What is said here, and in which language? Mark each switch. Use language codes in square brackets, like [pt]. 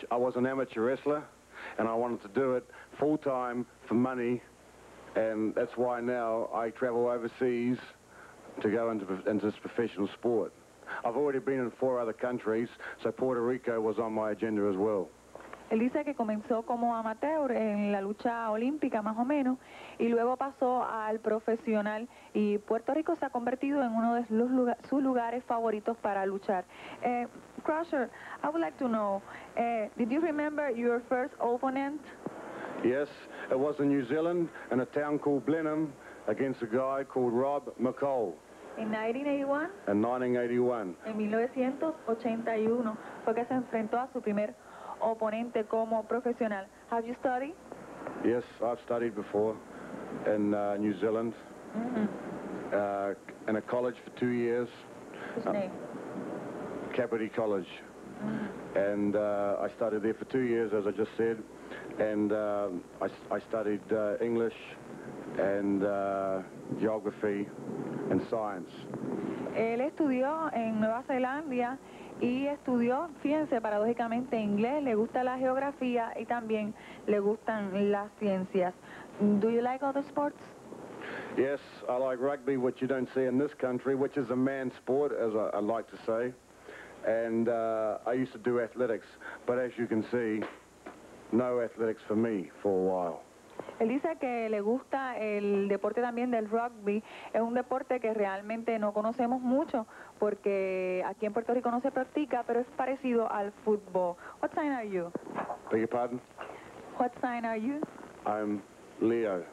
[en] I was an amateur wrestler, and I wanted to do it full-time for money, and that's why now I travel overseas to go into this professional sport. I've already been in four other countries, so Puerto Rico was on my agenda as well. [es] Él dice que comenzó como amateur en la lucha olímpica, más o menos, y luego pasó al profesional, y Puerto Rico se ha convertido en uno de sus lugares favoritos para luchar. [en] Crusher, I would like to know, did you remember your first opponent? Yes, it was in New Zealand, in a town called Blenheim, against a guy called Rob McColl. In 1981? In 1981. [es] En 1981 fue que se enfrentó a su primer oponente como profesional. [en] Have you studied? Yes, I've studied before in New Zealand. Mm-hmm. In a college for 2 years. Whose name? Cabrini College. Mm-hmm. And I studied there for 2 years, as I just said. And I studied English and geography and science. [es] Él estudió en Nueva Zelanda. Y estudió, fíjense, paradójicamente inglés, le gusta la geografía y también le gustan las ciencias. [en] Do you like other sports? Yes, I like rugby, which you don't see in this country, which is a man's sport, as I like to say. And I used to do athletics, but as you can see, no athletics for me for a while. [es] Él dice que le gusta el deporte también del rugby. Es un deporte que realmente no conocemos mucho porque aquí en Puerto Rico no se practica, pero es parecido al fútbol. [en] What sign are you? Beg your pardon? What sign are you? I'm Leo.